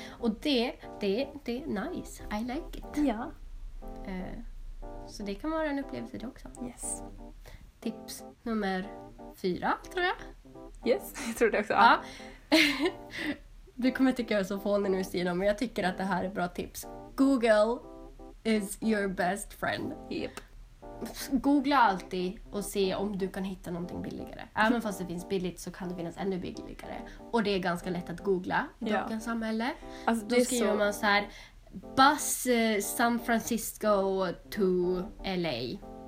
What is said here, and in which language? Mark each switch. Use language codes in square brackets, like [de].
[sv] Och det är [en] nice. I like it. [sv] Ja. Så det kan vara en upplevelse det också. [en] Yes. [sv] Tips nummer 4, tror jag. Yes, jag tror det också. Ja. Du kommer tycka jag är så fånig nu, Stina, men jag tycker att det här är bra tips. [en] Google is your best friend. Yep. [sv] Googla alltid och se om du kan hitta någonting billigare. Även fast det finns billigt så kan det finnas ännu billigare. Och det är ganska lätt att googla i dagens samhälle. Alltså, då skriver man så här: [en] bus San Francisco to LA.